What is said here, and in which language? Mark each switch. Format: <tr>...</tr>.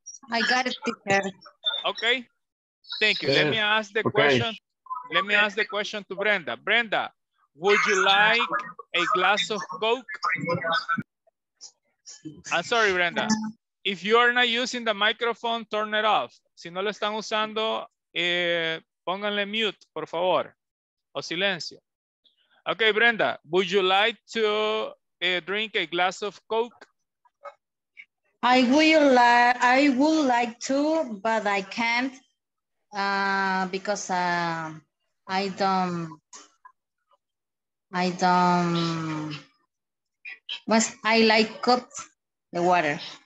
<en>I got it, teacher. Okay, thank you. Let me ask the question. Let me ask the question to Brenda. Brenda, would you like a glass of Coke? I'm sorry, Brenda. If you are not using the microphone, turn it off.</en> <es>Si no lo están usando, pónganle mute, por favor, o silencio.</es> <en>Okay, Brenda, would you like to drink a glass of Coke? I would like to, but I can't because I like cup the water.</en>